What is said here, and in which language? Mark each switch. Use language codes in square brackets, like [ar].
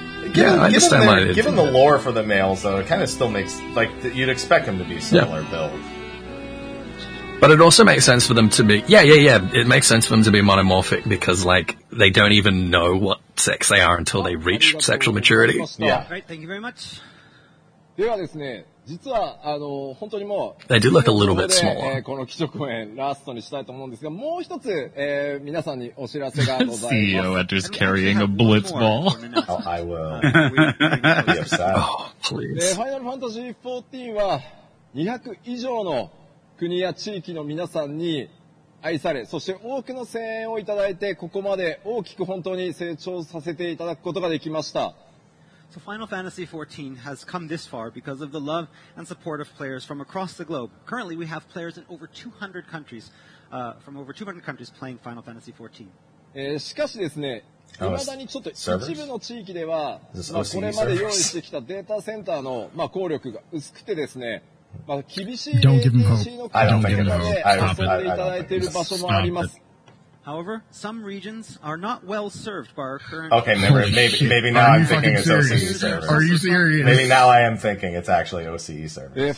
[en] Given the lore for the males, though, it kind of still makes, like, you'd expect them to be similar build. But it also makes sense for them to be, it makes sense for them to be monomorphic because, like, they don't even know what sex they are until they reach sexual maturity. Yeah. Right, thank you very much. [ja] ではですね、実は、本当にもう、 [en] They do look a little bit smaller. [ja] この基調演ラストにしたいと思うんですが、もう一つ、皆さんにお知らせがございます。 [en] CEO enters carrying a blitz ball. Oh, I will. Oh, please. [ja] Final Fantasy XIV は、200以上の国や地域の皆さんに愛され、そして多くの声援をいただいて、ここまで大きく本当に成長させていただくことができました。 [en] So Final Fantasy XIV has come this far because of the love and support of players from across the globe. Currently, we have players in over 200 countries, from over 200 countries playing Final Fantasy XIV. [ja] しかしですね、未だにちょっと一部の地域では、まあ、これまで用意してきたデータセンターの、まあ、効力が薄くてですね、まあ、厳しい ADC の環境で遊んでいただいている場所もあります。 [en] However, some regions are not well served by our current... Okay, remember, maybe now I'm thinking it's OCE servers. Are you serious? Maybe now I am thinking it's actually OCE servers.